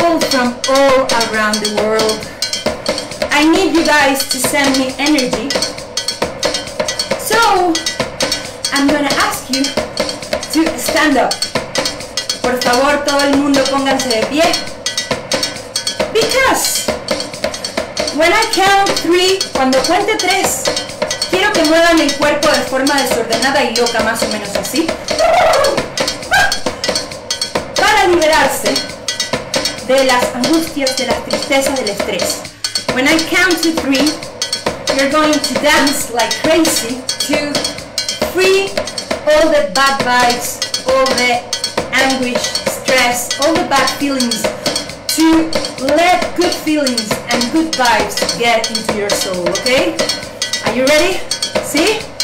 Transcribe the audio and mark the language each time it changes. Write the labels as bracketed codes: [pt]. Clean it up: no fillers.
[en] From all around the world, I need you guys to send me energy, so I'm gonna ask you to stand up. [es] Por favor, todo el mundo pónganse de pie, [en] because when I count three, [es] cuando cuente tres, quiero que muevan el cuerpo de forma desordenada y loca, más o menos así, para liberarse de las angustias, de las tristezas, del estrés. [en] When I count to three, you're going to dance like crazy to free all the bad vibes, all the anguish, stress, all the bad feelings, to let good feelings and good vibes get into your soul, okay? Are you ready? See?